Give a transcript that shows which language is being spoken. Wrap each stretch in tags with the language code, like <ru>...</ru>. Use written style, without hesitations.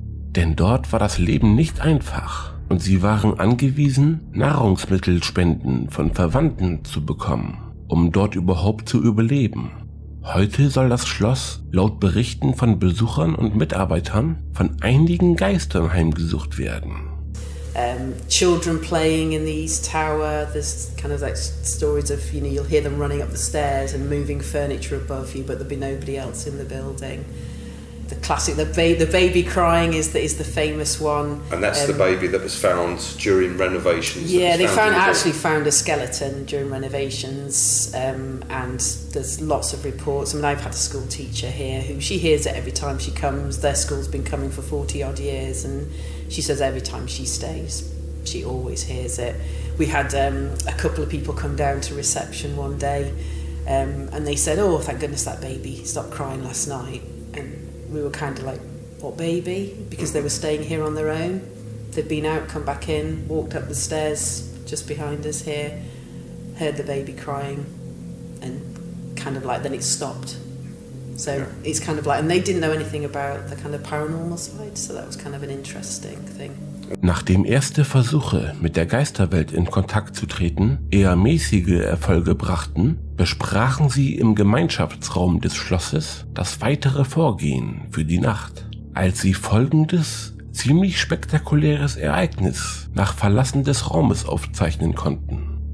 <de>Denn dort war das Leben nicht einfach und sie waren angewiesen, Nahrungsmittelspenden von Verwandten zu bekommen, um dort überhaupt zu überleben. Heute soll das Schloss laut Berichten von Besuchern und Mitarbeitern von einigen Geistern heimgesucht werden.</de> <en>Children playing in the East Tower, there's kind of like stories of, you know, you'll hear them running up the stairs and moving furniture above you, but there'll be nobody else in the building. The classic, the baby crying is the famous one. And that's the baby that was found during renovations. Yeah, they found a skeleton during renovations. And there's lots of reports. I mean, I've had a school teacher here who she hears it every time she comes. Their school's been coming for 40 odd years. And she says every time she stays, she always hears it. We had a couple of people come down to reception one day. And they said, oh, thank goodness that baby stopped crying last night. We were kind of like, what baby? Because they were staying here on their own. They'd been out, come back in, walked up the stairs just behind us here, heard the baby crying, and kind of like, then it stopped. So yeah. It's kind of like, and they didn't know anything about the kind of paranormal side, so that was kind of an interesting thing.</en> <de>Nachdem erste Versuche, mit der Geisterwelt in Kontakt zu treten, eher mäßige Erfolge brachten, besprachen sie im Gemeinschaftsraum des Schlosses das weitere Vorgehen für die Nacht, als sie folgendes ziemlich spektakuläres Ereignis nach Verlassen des Raumes aufzeichnen konnten.</de>